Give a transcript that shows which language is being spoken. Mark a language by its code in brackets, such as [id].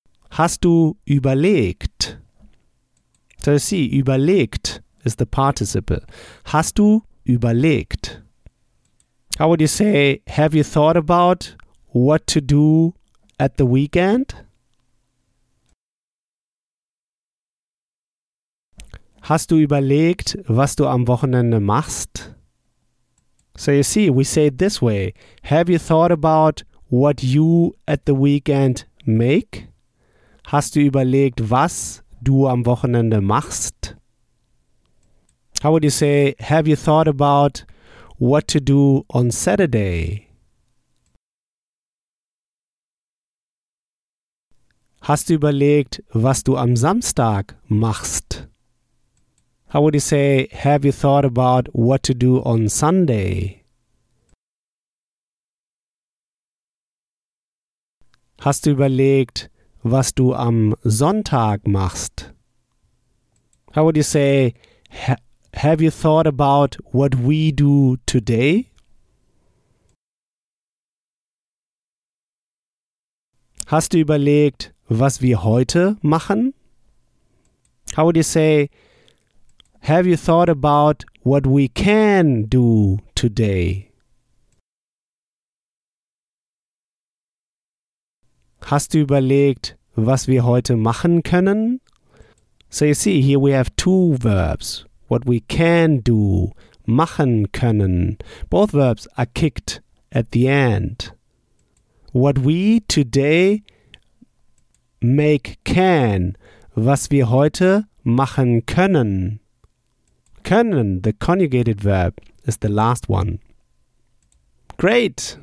[de] Hast du überlegt? [en] So you see, überlegt is the participle. [de] Hast du überlegt? [en] How would you say, have you thought about what to do at the weekend? [de] Hast du überlegt, was du am Wochenende machst? [en] So you see, we say it this way. Have you thought about what you at the weekend make? [de] Hast du überlegt, was du am Wochenende machst? [en] How would you say, have you thought about what to do on Saturday? [de] Hast du überlegt, was du am Samstag machst? [en] How would you say, have you thought about what to do on Sunday? [de] Hast du überlegt, was du am Sonntag machst? [en] How would you say, have you thought about what we do today? [de] Hast du überlegt, was wir heute machen? [en] How would you say, have you thought about what we can do today? [de] Hast du überlegt, was wir heute machen können? [en] So you see, here we have two verbs. What we can do, [de] machen können. [en] Both verbs are kicked at the end. What we today make can. [de] Was wir heute machen können. [en] Können, the conjugated verb, is the last one. Great!